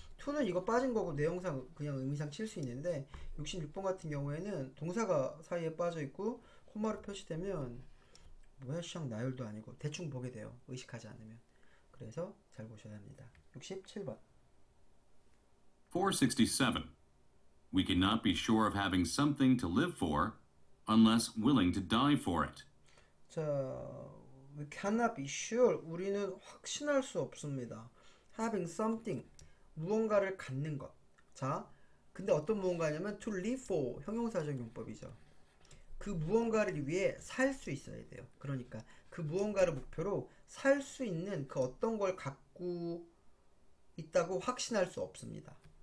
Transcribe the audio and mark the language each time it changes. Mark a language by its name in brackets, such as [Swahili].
[Korean] 2는 이거 빠진 거고 내용상 그냥 의미상 칠 수 있는데 66번 같은 경우에는 동사가 사이에 빠져 있고 콤마로 표시되면 뭐야 시장 나열도 아니고 대충 보게 돼요. 의식하지 않으면. 그래서 잘 보셔야 합니다. 67번. 467. [English] We cannot be sure of having something to live for unless willing to die for it. 자, we cannot be sure. [Korean] 우리는 확신할 수 없습니다. [English] Having something. [Korean] 무언가를 갖는 것. 자, 근데 어떤 무언가냐면 [English] to live for. [Korean] 형용사적 용법이죠. 그 무언가를 위해 살 수 있어야 돼요. 그러니까 그 무언가를 목표로 살 수 있는 그 어떤 걸 갖고 있다고 확신할 수 없습니다.